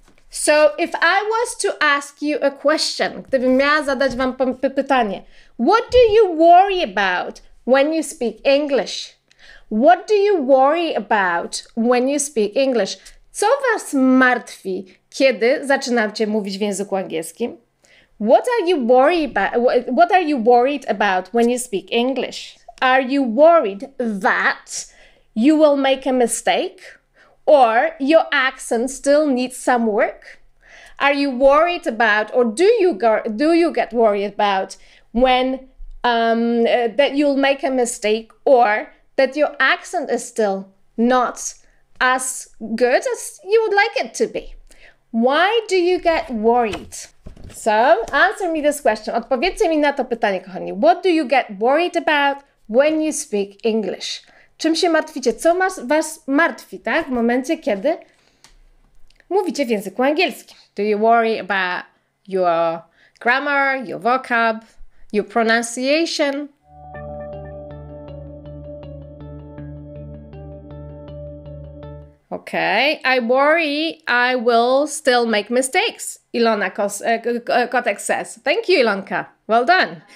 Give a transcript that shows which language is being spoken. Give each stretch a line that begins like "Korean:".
English: So if I was to ask you a question,
Polish: gdybym miała zadać wam pytanie,
English: what do you worry about when you speak English? What do you worry about when you speak English?
Polish: Co was martwi, kiedy zaczynacie mówić w języku angielskim?
English: What are you worried about when you speak English? Are you worried that you will make a mistake? Or your accent still needs some work? Are you worried about, or do you get worried about when that you'll make a mistake, or that your accent is still not as good as you would like it to be? Why do you get worried? So answer me this question.
Polish: Odpowiedzcie mi na to pytanie, kochani.
English: What do you get worried about when you speak English?
Polish: Czym się martwicie? Co was martwi, tak? W momencie, kiedy mówicie w języku angielskim.
English: Do you worry about your grammar, your vocab, your pronunciation? Okay, I worry I will still make mistakes, Ilona Kotek says. Thank you, Ilonka. Well done.